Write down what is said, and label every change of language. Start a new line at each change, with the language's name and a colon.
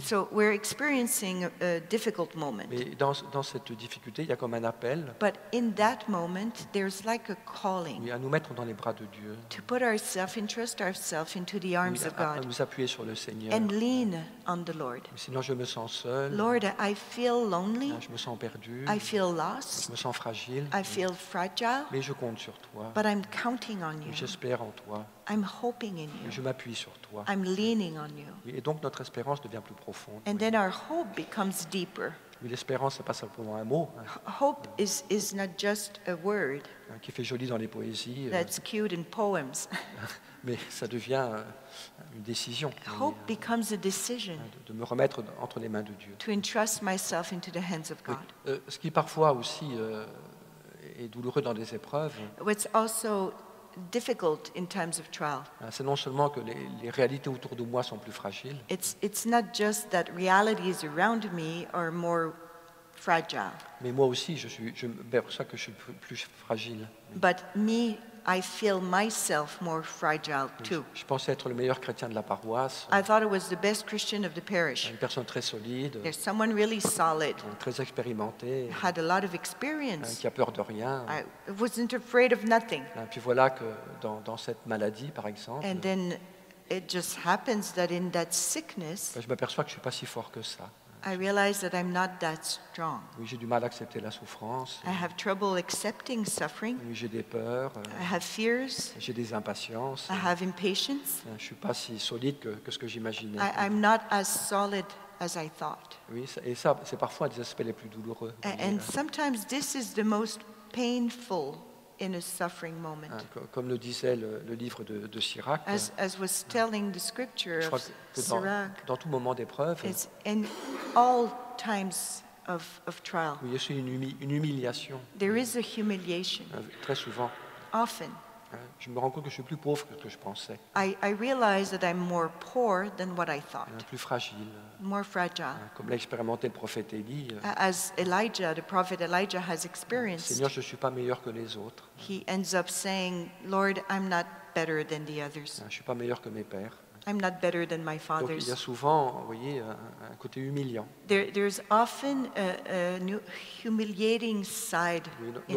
English: So we're experiencing a difficult moment.
French: Mais dans cette difficulté, il y a comme un appel.
English: But in that moment, there's like a calling.
French: Oui, à nous mettre dans les bras de Dieu.
English: To put ourselves and trust ourselves into the arms of God.
French: À nous appuyer sur le Seigneur.
English: And lean on the Lord.
French: Sinon, je me sens seul.
English: Lord, I feel lonely.
French: Je me sens perdu.
English: I feel lost.
French: Je me sens fragile.
English: I feel fragile.
French: Mais je compte sur toi.
English: But I'm counting on you.
French: J'espère en toi.
English: I'm hoping. trusting in you.
French: Je m'appuie sur toi.
English: I'm leaning on you.
French: Oui, et donc notre espérance devient plus profonde.
English: And
French: oui.
English: Then our hope becomes deeper.
French: Oui, l'espérance, c'est pas simplement un mot.
English: Hope is not just a word.
French: Qui fait joli dans les poésies.
English: That's cute in poems.
French: Mais ça devient une décision.
English: Hope becomes a decision.
French: De me remettre entre les mains de Dieu.
English: To entrust myself into the hands of God.
French: Oui. Ce qui parfois aussi est douloureux dans des épreuves.
English: What's also difficult in times of trial.
French: C'est non seulement que les réalités autour de moi sont plus fragiles.
English: It's not just that realities around me are more fragile.
French: Mais moi aussi, je perçois que je suis plus fragile.
English: But me, I feel myself more fragile too.
French: Je pensais être le meilleur chrétien de la paroisse.
English: I thought I was the best Christian of the parish.
French: Une personne très solide.
English: There's someone really solid.
French: Très expérimenté.
English: Had a lot of experience.
French: Qui a peur de rien.
English: I wasn't afraid of nothing.
French: Et puis voilà que dans cette maladie, par exemple.
English: And then it just happens that in that sickness.
French: Je m'aperçois que je suis pas si fort que ça.
English: I realize that I'm not that strong.
French: Oui, j'ai du mal à accepter la souffrance.
English: I have trouble accepting suffering.
French: Oui, j'ai des peurs.
English: I have fears.
French: J'ai des impatiences.
English: I have impatience.
French: Je suis pas si solide que ce que j'imaginais.
English: I'm not as solid as I thought.
French: Oui, et ça, c'est parfois des aspects les plus douloureux.
English: And sometimes this is the most painful in a suffering moment.
French: Comme le disait le livre de Sirach.
English: As was telling the scripture of Sirach.
French: Dans tout moment d'épreuve.
English: It's in all times of trial.
French: Oui, c'est une humiliation.
English: There is a humiliation.
French: Très souvent.
English: Often.
French: Je me rends compte que je suis plus pauvre que ce que je pensais.
English: I realize that I'm more poor than what I thought.
French: Plus fragile.
English: More fragile.
French: Comme l'a expérimenté le prophète Élie.
English: As Elijah, the prophet Elijah has experienced.
French: Seigneur, je suis pas meilleur que les autres.
English: He ends up saying, Lord, I'm not better than the others.
French: Je suis pas meilleur que mes pères.
English: I'm not better than my fathers.
French: Donc il y a souvent, vous voyez, un côté humiliant.
English: There's often a humiliating side in suffering.